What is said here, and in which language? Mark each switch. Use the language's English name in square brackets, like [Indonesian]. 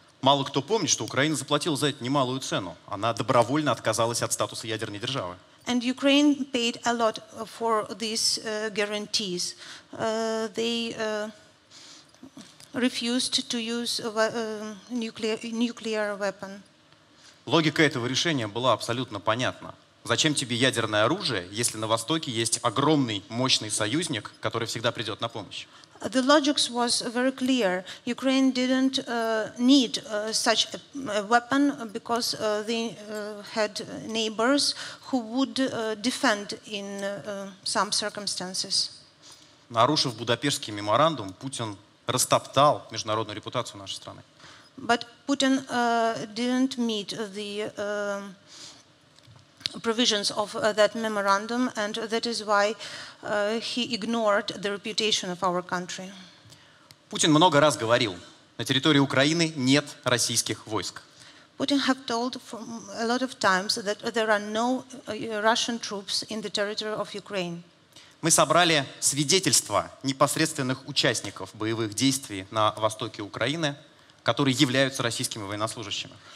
[Russian] Мало кто помнит, что Украина заплатила за это немалую цену. Она добровольно отказалась от статуса ядерной державы. [English] And Ukraine paid a lot for these guarantees. They refused to use nuclear weapon. [Russian] Логика этого решения была абсолютно понятна. Зачем тебе ядерное оружие, если на Востоке есть огромный, мощный союзник, который всегда придет на помощь? [English] The logic was very clear. Ukraine didn't need such a weapon because they had neighbors who would defend in some circumstances. [Russian] Нарушив Будапештский меморандум, Путин растоптал международную репутацию нашей страны. [English] But Putin didn't meet the provisions of that memorandum, and that is why he ignored the reputation of our country. [Russian] Путин много раз говорил, на территории Украины нет российских войск. [English] Putin have told from a lot of times that there are no Russian troops in the territory of Ukraine. [Russian] Мы собрали свидетельства непосредственных участников боевых действий на востоке Украины, которые являются российскими военнослужащими.